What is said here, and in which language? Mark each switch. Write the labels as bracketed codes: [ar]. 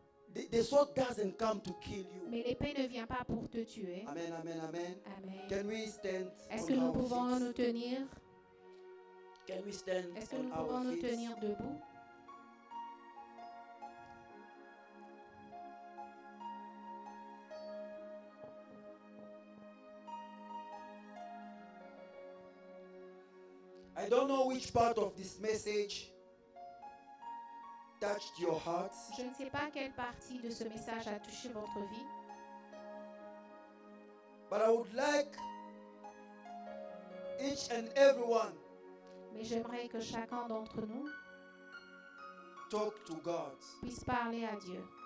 [en] But the sword doesn't come to kill you. [fr] Mais l'épée ne vient pas pour te tuer. Amen, amen, amen. Amen. [en] Can we stand? [fr] Est-ce que nous pouvons [en] feet? [fr] Nous tenir? [en] Can we stand? [fr] Est-ce que nous pouvons nous tenir debout? [en] I don't know which part of this message touched your heart. [fr] Je ne sais pas quelle partie de ce message a touché votre vie. [en] But I would like each and everyone. [fr] Mais j'aimerais que chacun d'entre nous [en] talk to God. [fr] Puisse parler à Dieu.